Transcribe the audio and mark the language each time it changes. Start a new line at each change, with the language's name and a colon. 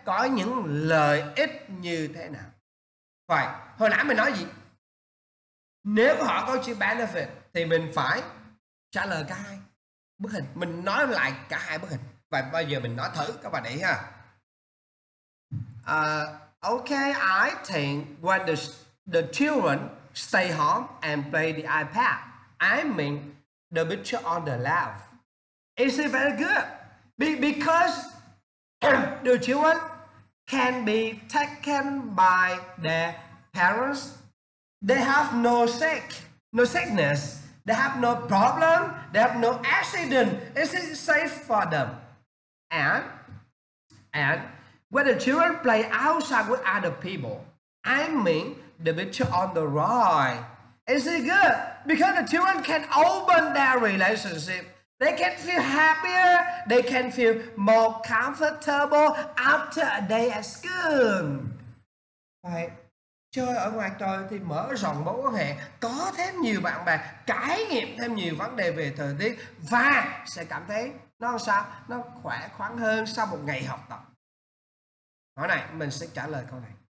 Vietnamese: Có những lợi ích như thế nào? Vậy, hồi nãy mình nói gì? Nếu họ có chữ benefit thì mình phải trả lời cả hai bức hình. Mình nói lại cả hai bức hình. Và bây giờ mình nói thử các bạn để ý ha.
English: Okay, I think when the children stay home and play the iPad, I mean the picture on the left. Is it very good? Because the children can be taken by their parents. They have no sickness. They have no problem. They have no accident. Is it safe for them? And when the children play outside with other people, I mean the picture on the right. Is it good? Because the children can open their relationship. They can feel happier. They can feel more comfortable after a day at school.
Vietnamese: Vậy, chơi ở ngoài trời thì mở rộng mối quan hệ, có thêm nhiều bạn bè, trải nghiệm thêm nhiều vấn đề về thời tiết và sẽ cảm thấy nó sao? Nó khỏe khoắn hơn sau một ngày học tập. Hỏi này, mình sẽ trả lời câu này.